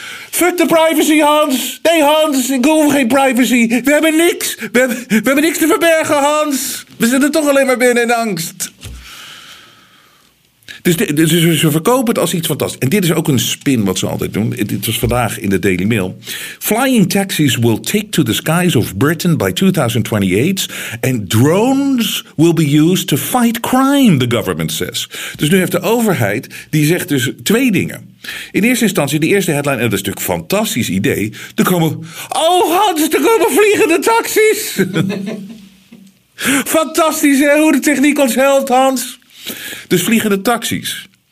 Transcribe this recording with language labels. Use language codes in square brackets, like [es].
[nl] Fuck de privacy, Hans. Nee, Hans, ik hoef geen privacy. We hebben niks. We hebben niks te verbergen, Hans. We zitten toch alleen maar binnen in angst. Dus ze verkopen het als iets fantastisch. En dit is ook een spin wat ze altijd doen. Dit was vandaag in de Daily Mail. [en] Flying taxis will take to the skies of Britain by 2028. And drones will be used to fight crime, the government says. [nl] Dus nu heeft de overheid, die zegt dus twee dingen. In eerste instantie, de eerste headline, en dat is natuurlijk een fantastisch idee. Er komen, oh Hans, er komen vliegende taxis. Fantastisch, hè, hoe de techniek ons helpt, Hans. Dus vliegende taxis.